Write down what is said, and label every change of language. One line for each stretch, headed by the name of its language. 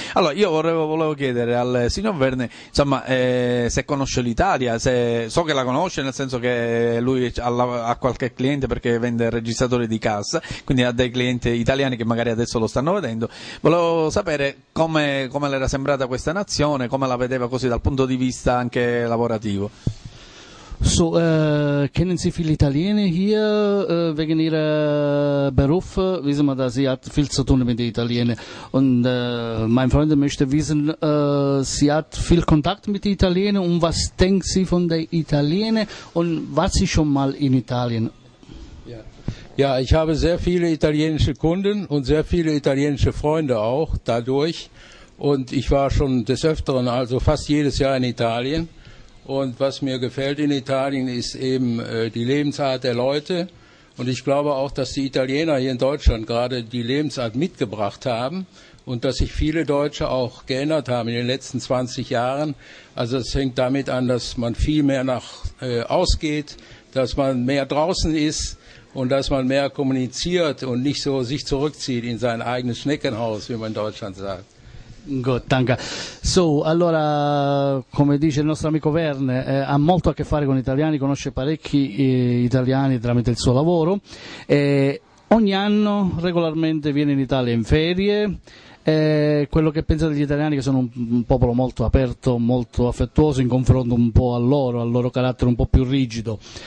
Italian: Allora, io volevo chiedere al signor Verne, insomma, se conosce l'Italia, se so che la conosce, nel senso che lui ha qualche cliente perché vende registratori di cassa, quindi ha dei clienti italiani che magari adesso lo stanno vedendo. Volevo sapere come le era sembrata questa nazione, come la vedeva così dal punto di vista anche lavorativo.
German: So, kennen Sie viele Italiener hier wegen Ihrer Beruf? Wissen wir, dass Sie hat viel zu tun mit den Italienern. Und mein Freund möchte wissen, Sie hat viel Kontakt mit den Italienern. Und was denkt Sie von den Italienern? Und war Sie schon mal in Italien? Ja, ich habe sehr viele italienische Kunden und sehr viele italienische Freunde auch dadurch. Und ich war schon des Öfteren, also fast jedes Jahr in Italien. Und was mir gefällt in Italien ist eben die Lebensart der Leute. Und ich glaube auch, dass die Italiener hier in Deutschland gerade die Lebensart mitgebracht haben und dass sich viele Deutsche auch geändert haben in den letzten 20 Jahren. Also es hängt damit an, dass man viel mehr nach ausgeht, dass man mehr draußen ist und dass man mehr kommuniziert und nicht so sich zurückzieht in sein eigenes Schneckenhaus, wie man in Deutschland sagt.
Italian: Good, so, allora, come dice il nostro amico Verne, ha molto a che fare con gli italiani, conosce parecchi italiani tramite il suo lavoro. Ogni anno regolarmente viene in Italia in ferie. Quello che pensa degli italiani, che sono un popolo molto aperto, molto affettuoso in confronto un po' al loro carattere un po' più rigido.